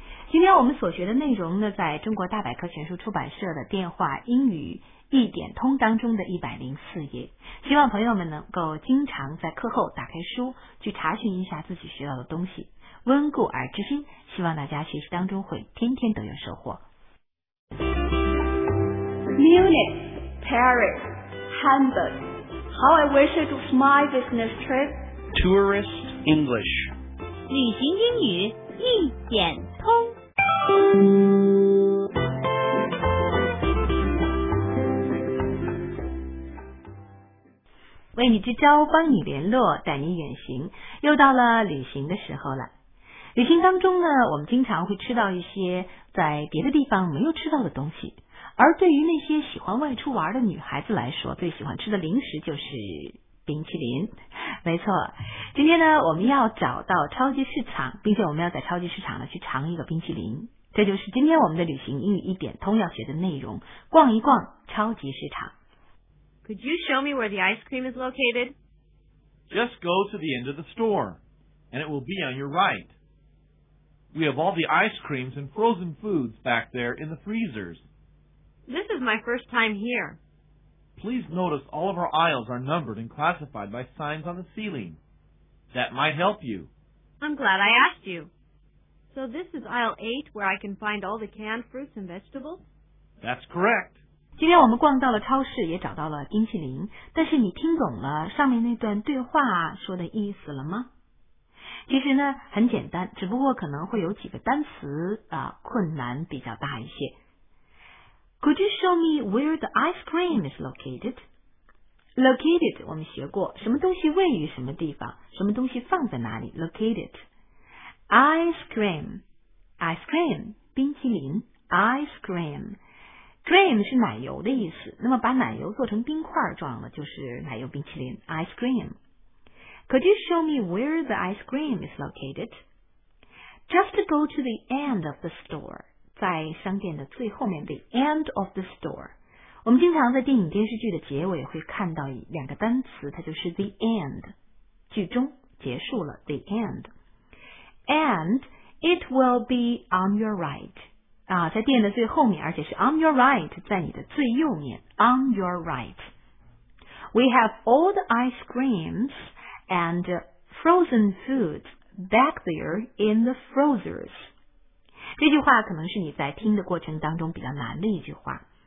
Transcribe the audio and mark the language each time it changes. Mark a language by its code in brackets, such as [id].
[zh] 今天我们所学的内容呢在中国大百科全书出版社的电话英语一点通当中的104页。希望朋友们能够经常在课后打开书去查询一下自己学到的东西。温故而知新希望大家学习当中会天天都有收获。 [en] Munich, Paris. Hamburg. How I wish it was my business trip. Tourist English. [zh] 旅行英语一点通。为你支招，帮你联络，带你远行。又到了旅行的时候了。旅行当中呢，我们经常会吃到一些在别的地方没有吃到的东西。而对于那些喜欢外出玩的女孩子来说，最喜欢吃的零食就是冰淇淋。没错，今天呢，我们要找到超级市场，并且我们要在超级市场呢去尝一个冰淇淋。这就是今天我们的旅行英语一点通要学的内容，逛一逛超级市场。 [en] Could you show me where the ice cream is located? Just go to the end of the store, and it will be on your right. We have all the ice creams and frozen foods back there in the freezers. This is my first time here. Please notice all of our aisles are numbered and classified by signs on the ceiling. That might help you. I'm glad I asked you. So this is aisle 8 where I can find all the canned fruits and vegetables? That's correct. [zh] 今天我们逛到了超市，也找到了冰淇淋，但是你听懂了上面那段对话说的意思了吗？其实呢，很简单，只不过可能会有几个单词困难比较大一些。 [en] Could you show me where the ice cream is located? [zh] Located 我们学过，什么东西位于什么地方，什么东西放在哪里 ？Located. [en] Ice cream, 冰淇淋 ，ice cream. [zh] Cream 是奶油的意思，那么把奶油做成冰块状的，就是奶油冰淇淋 ，ice cream. [en] Could you show me where the ice cream is located? Just go to the end of the store. [zh] 在商店的最后面 ， [en] the end of the store。 [zh] 我们经常在电影电视剧的结尾会看到两个单词，它就是 [en] the end， [zh] 剧终结束了 ，the end。 [en] And it will be on your right。 [zh] 在店的最后面，而且是 [en] on your right， [zh] 在你的最右面 [en] ，on your right。 We have all the ice creams and frozen foods back there in the freezers. [zh] 这句话可能是你在听的过程当中比较难的一句话。